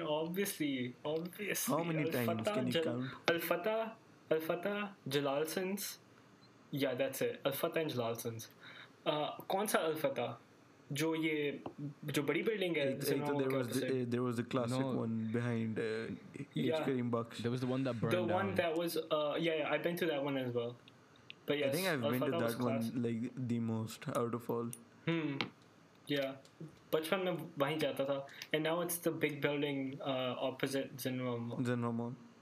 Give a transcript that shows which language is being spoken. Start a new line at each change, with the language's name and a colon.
English: How many times can you count? Al-Fatah, Jalalson's. Yeah, that's it. Al-Fatah and Jalalson's.
Urdu: کونسا الفتح؟ جو یہ، جو بڑی بلڈنگ ہے۔
English: There was a classic one behind H. Kareem Bakhsh. There was the one that burned down. The one that was, I've been to that one as well. But yes, I think I've been to that one like the most out of all.
Urdu: Bachpan mein wahi jata tha,
English: and now it's the big building opposite Zinromon.